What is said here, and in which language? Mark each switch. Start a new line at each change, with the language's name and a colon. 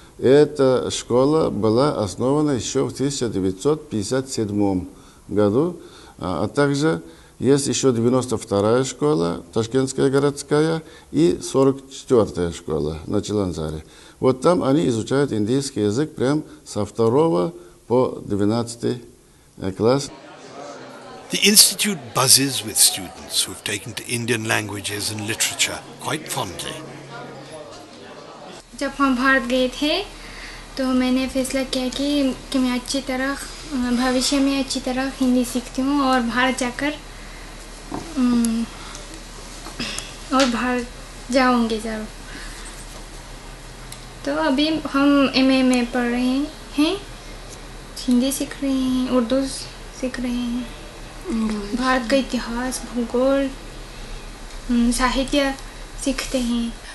Russian: Эта школа была основана еще в 1957 году. А также есть еще 92-я школа, Ташкентская городская, и 44-я школа на Чиланзаре. Вот там они изучают индийский язык прямо со 2 по 12 класс.
English: The institute buzzes with students who have taken to Indian languages and literature quite fondly.
Hindi: जब हम भारत गए थे तो मैंने फैसला किया कि मैं अच्छी तरह भविष्य में अच्छी तरह हिंदी सीखती हूँ और भारत जाकर और भारत जाऊँगी जब तो अभी हम एमए पढ़ रहे हैं हिंदी सीख रहे हैं उर्दू सीख रहे हैं भारत का इतिहास भूगोल साहित्य सीखते हैं